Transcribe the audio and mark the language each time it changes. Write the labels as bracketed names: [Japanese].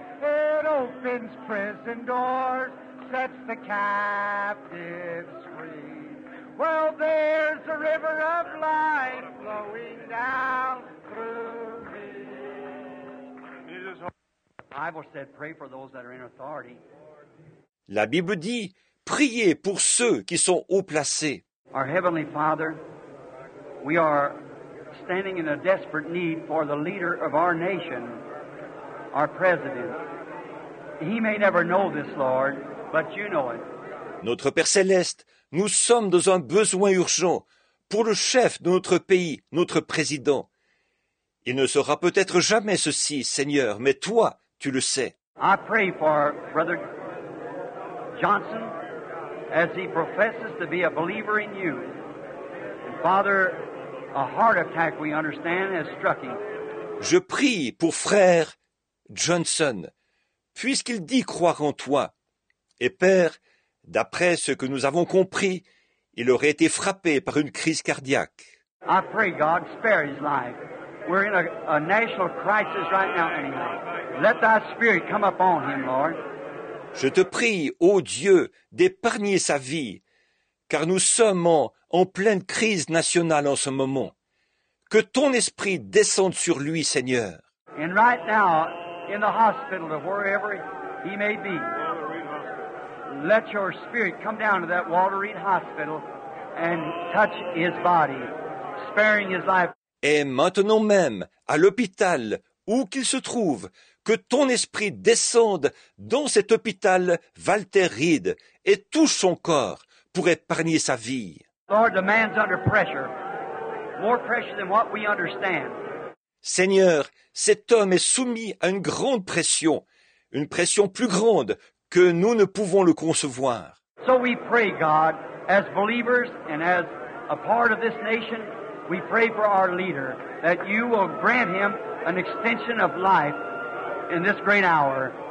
[English] It opens prison doors, sets the captives free. Well, there's a river of life flowing down through me. The Bible said, pray for those that are in authority. [French] La Bible dit, priez pour ceux qui sont haut placés. [English] Our Heavenly Father, we are standing in a desperate need for the leader of our nation, our president. He may never know this, Lord, but you know it. [French] Notre Père Céleste, nous sommes dans un besoin urgent pour le chef de notre pays, notre président. Il ne saura peut-être jamais ceci, Seigneur, mais toi, tu le sais. [English] I pray for Brother Johnson as he professes to be a believer in you. And Father, a heart attack, we understand, has struck him. [French] Je prie pour frère Johnson, puisqu'il dit croire en toi. Et Père, d'après ce que nous avons compris, il aurait été frappé par une crise cardiaque. [English] I pray God spare his life. We're in a national crisis right now anyway. Let thy spirit come upon him, Lord. [French] Je te prie, ô Dieu, d'épargner sa vie, car nous sommes en pleine crise nationale en ce moment. Que ton esprit descende sur lui, Seigneur. [English] And right now, in the hospital, wherever he may be, let your spirit come down to that Walter Reed Hospital and touch his body, sparing his life. [French] Et maintenant même, à l'hôpital où qu'il se trouve, que ton esprit descende dans cet hôpital Walter Reed et touche son corps pour épargner sa vie. [English] Lord, the man's under pressure. More pressure than what we understand. [French] Seigneur, cet homme est soumis à une grande pression, une pression plus grande que nous ne pouvons le concevoir. [English] So we pray, God, as believers and as a part of this nation, we pray for our leader that you will grant him an extension of life in this great hour.